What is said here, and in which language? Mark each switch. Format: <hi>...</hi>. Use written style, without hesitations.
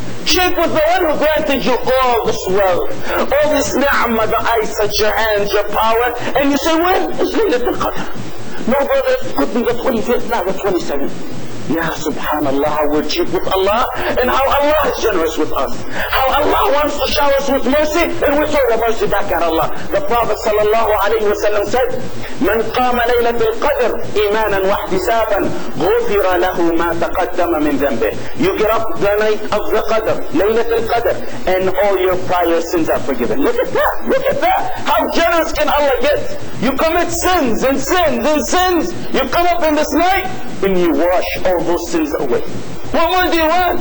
<en>Cheap with the one who granted you all this wealth, all this ni'mah, the eyesight, your hands, your power, and you say, when? It's Laylatul Qadr. No, brother, it could be the 25th, not the 27th. Yeah, subhanAllah, how we're cheap with Allah, and how Allah is generous with us. How Allah wants to shower us with mercy, and we throw the mercy back at Allah. The Prophet sallallahu alayhi wa sallam said,</en> <ar>من قام ليلة القدر إيمانا واحتسابا غفر له ما تقدم من ذنبه.</ar> <en>You get up the night of the Qadr, ليلة القدر, and all your prior sins are forgiven. Look at that. How generous can Allah get? You commit sins and sins and sins. You come up in this night and you wash all those sins away. What more do you want?</en>